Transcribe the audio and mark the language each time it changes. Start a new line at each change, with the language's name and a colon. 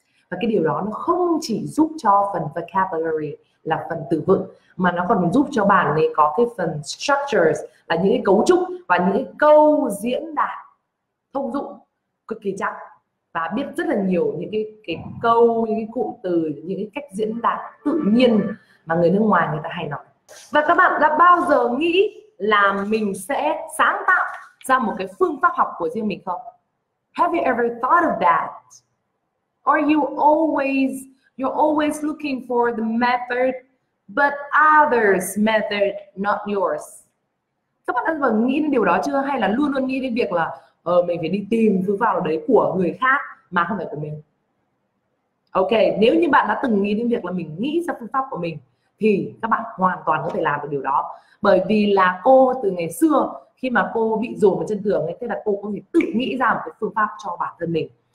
Vietnamese: Và cái điều đó nó không chỉ giúp cho phần vocabulary là phần từ vựng, mà nó còn giúp cho bạn ấy có cái phần structures là những cái cấu trúc và những cái câu diễn đạt thông dụng cực kỳ chắc, và biết rất là nhiều những cái câu, những cái cụm từ, những cái cách diễn đạt tự nhiên mà người nước ngoài người ta hay nói. Và các bạn đã bao giờ nghĩ là mình sẽ sáng tạo ra một cái phương pháp học của riêng mình không?
English: Have you ever thought of that? Are you always, you're always looking for the method, but others' method, not yours?
Vietnamese: Các bạn đã bao giờ nghĩ đến điều đó chưa? Hay là luôn luôn nghĩ đến việc là mình phải đi tìm phương pháp đấy của người khác mà không phải của mình? Ok, nếu như bạn đã từng nghĩ đến việc là mình nghĩ ra phương pháp của mình thì các bạn hoàn toàn có thể làm được điều đó. Bởi vì là cô từ ngày xưa khi mà cô bị dồn vào chân tường ấy, thế là cô có thể tự nghĩ ra một cái phương pháp cho bản thân mình.